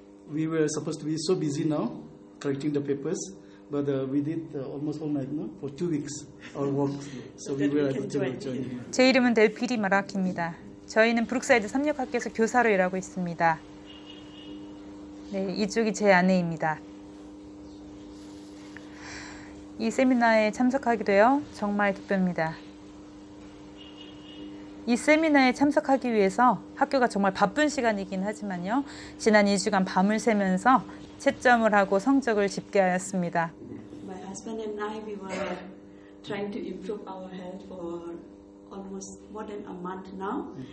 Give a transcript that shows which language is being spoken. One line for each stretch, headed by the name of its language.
English: We were supposed to be so busy now, collecting the papers, but we did almost all night, no? For 2 weeks, our work. So we were able to join.
Korean: 제 이름은 델피리 마라키입니다. 저희는 브룩사이드 삼육학교에서 교사로 일하고 있습니다. 네, 이쪽이 제 아내입니다. 이 세미나에 참석하게 되어 정말 기쁩니다. 이 세미나에 참석하기 위해서 학교가 정말 바쁜 시간이긴 하지만요. 지난 2주간 밤을 새면서 채점을 하고 성적을 집계하였습니다.
English: My husband and I, we were trying to improve our health for almost more than a month now.